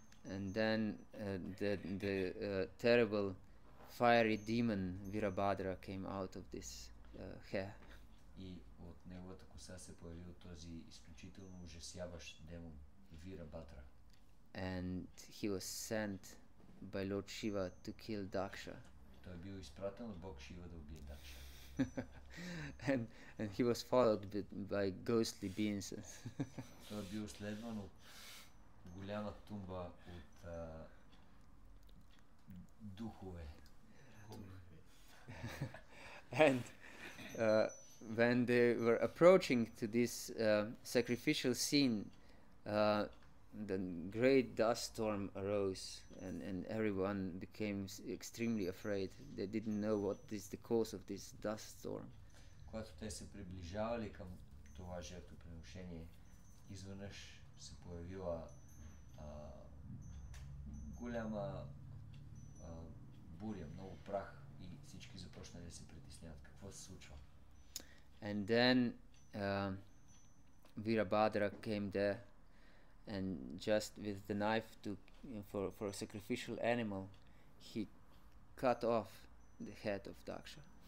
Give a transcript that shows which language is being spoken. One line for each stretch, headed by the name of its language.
English: And then the terrible fiery demon Virabhadra came out of this hair.
Bulgarian: И от неговата коса се появил този изключително ужасяващ демон Virabhadra.
English: And he was sent by Lord Shiva to kill Daksha.
Bulgarian: Той бил изпратен от Бог Шива да убие Даксha.
English: And he was followed by ghostly beings.
Bulgarian: Той бил следван от голяма тумба от духове.
English: And when they were approaching to this sacrificial scene, the great dust storm arose and everyone became extremely afraid. They didn't know what is the cause of this dust storm.
Bulgarian: Когато те се приближавали към това жертвоприношение, изведнъж се появила голяма буря, много прах, и всички започнали да се притесняват. Какво се случва?
English: And then Virabhadra came there and just with the knife to for a sacrificial animal he cut off the head of Daksha.